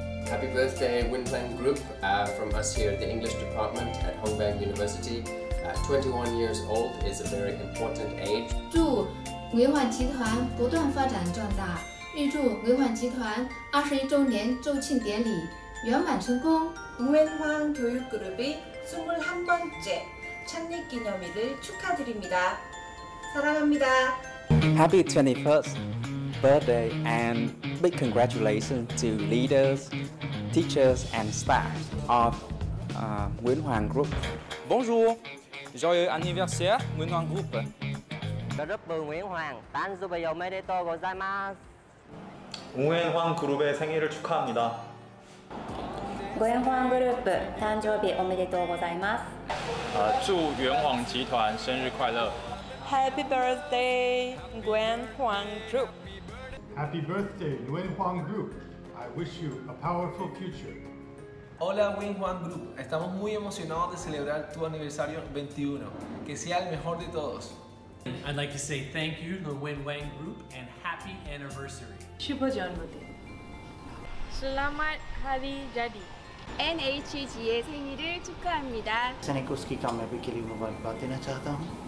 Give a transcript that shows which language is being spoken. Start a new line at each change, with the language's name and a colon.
English: Happy birthday Winplan Group, from us here at the English Department at Hongbang University. 21 years old is a very important age.
Chinese: 祝 Nguyễn Hoàng 集团不断发展壮大，预祝 Nguyễn Hoàng 集团21周年周庆典礼圆满成功。
Korean: Nguyễn Hoàng 교육그룹이21번째창립기념일을축하드립니다사랑합니다
English: Happy 21st birthday and big congratulations to leaders, teachers and staff of Nguyễn Hoàng Group.
French: Bonjour. Joyeux anniversaire, Nguyễn Hoàng Group.
Japanese: Group Nguyễn Hoàng, 誕生日 おめでとう ございます.
Korean: Nguyễn Hoàng Group의 생일을 축하합니다.
Japanese: Nguyễn Hoàng Group, 誕生日 おめでとう ございます.
Chinese: 祝 Nguyễn Hoàng 集团生日快乐.
English: Happy birthday, Nguyễn Hoàng Group. Happy birthday, Nguyen Hoang Group. I wish you a powerful future.
Spanish: Hola, Nguyen Hoang Group. Estamos muy emocionados de celebrar tu aniversario 21. Que sea el mejor de todos.
English: I'd like to say thank you, Nguyen Hoang Group, and happy anniversary.
Hindi: Shubha Janmadin.
Malay: Selamat Hari Jadi.
Korean: NHGA 생일을 축하합니다. 세네코스키 감회비키 리무발 바티나 차타함.